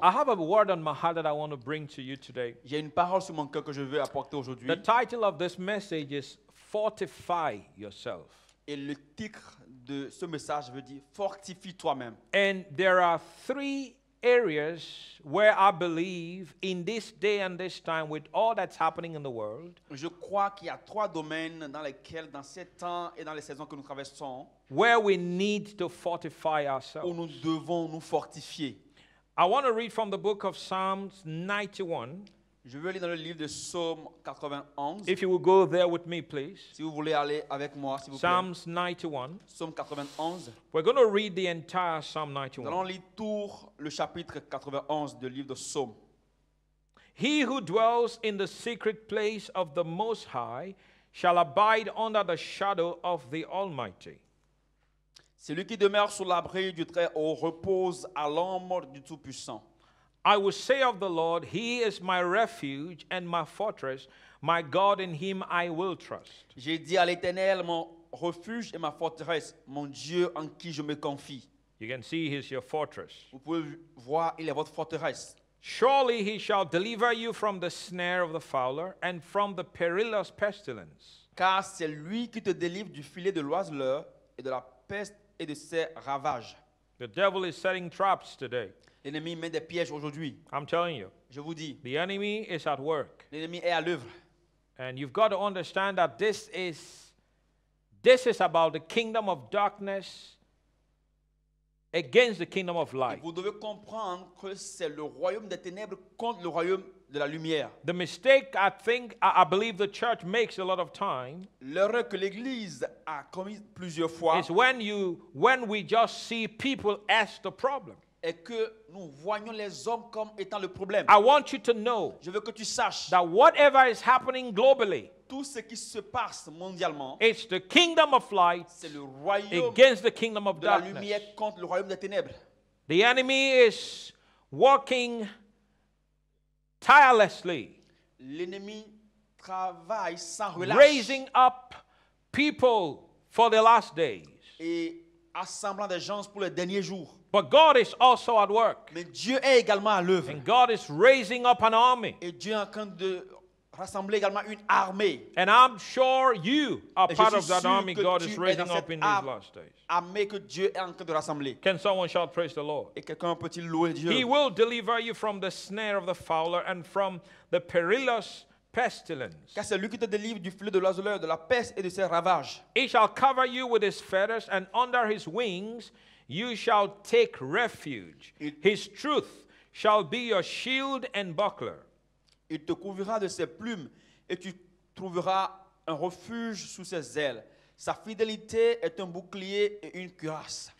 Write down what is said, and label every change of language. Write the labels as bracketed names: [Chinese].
[English] I have a word on my heart that I want to bring to you today. [French] J'ai une parole sur mon cœur que je veux apporter aujourd'hui. [English] The title of this message is Fortify Yourself. [French] Et le titre de ce message veut dire Fortifie toi-même. [English] And there are three areas where I believe in this day and this time with all that's happening in the world, [French] je crois qu'il y a trois domaines dans lesquels, dans ces temps et dans les saisons que nous traversons, [English] where we need to fortify ourselves. [French] Où nous devons nous fortifier. [English] I want to read from the book of Psalms 91. [French] Je veux lire dans le livre de Psaume 91. [English] If you will go there with me, please. [French] Si vous voulez aller avec moi, s'il vous plaît. [English] Psalms 91. [French] Psaume 91. [English] We're going to read the entire Psalm 91. [French] Nous allons lire tout le chapitre 91 du livre de Psaume. [English] He who dwells in the secret place of the Most High shall abide under the shadow of the Almighty. [French] Celui qui demeure sous l'abri du Très-Haut repose à l'ombre du Tout-Puissant. [English] I will say of the Lord, He is my refuge and my fortress, my God, in Him I will trust. [French] J'ai dit à l'Éternel, mon refuge et ma forteresse, mon Dieu en qui je me confie. [English] You can see He is your fortress. [French] Vous pouvez voir, il est votre forteresse. [English] Surely He shall deliver you from the snare of the fowler and from the perilous pestilence. [French] Car c'est lui qui te délivre du filet de l'oiseleur et de la peste et de ses ravages. [English] The devil is setting traps today. [French] L'ennemi met des pièges aujourd'hui. [English] I'm telling you. [French] Je vous dis. [English] The enemy is at work. [French] L'ennemi est à l'œuvre. [English] And you've got to understand that this is about the kingdom of darkness against the kingdom of light. [French] Et vous devez comprendre que c'est le royaume des ténèbres contre le royaume de la lumière. [English] The mistake I believe the church makes a lot of time. [French] L'erreur que l'église a commise plusieurs fois. [English] Is when we just see people as the problem. [French] Et que nous voyons les hommes comme étant le problème. [English] I want you to know, [French] je veux que tu saches, [English] that whatever is happening globally, [French] tout ce qui se passe mondialement, [English] it's the kingdom of light, [French] c'est le royaume [English] against the kingdom of [French] de [English] darkness. [French] La lumière contre le royaume des ténèbres. [English] The enemy is working tirelessly, [French] l'ennemi travaille sans relâche, [English] raising up people for the last days, [French] et assemblant des gens pour les derniers jours. [English] But God is also at work. [French] Mais Dieu est également à l'œuvre. [English] And God is raising up an army. [French] Et Dieu est en train de rassembler également une armée. [English] And I'm sure you are [French] et [English] part of that army God is raising up in these last days. [French] Armée que Dieu est en train de rassembler. [English] Can someone shout praise the Lord? [French] Et quelqu'un peut-il louer Dieu? [English] He will deliver you from the snare of the fowler and from the perilous pestilence. [French] Car c'est lui qui te délivre du flux de l'oiseleur, de la peste et de ses ravages. [English] He shall cover you with his feathers and under his wings you shall take refuge. His truth shall be your shield and buckler. [French] Il te couvrira de ses plumes et tu trouveras un refuge sous ses ailes. Sa fidélité est un bouclier et une cuirasse.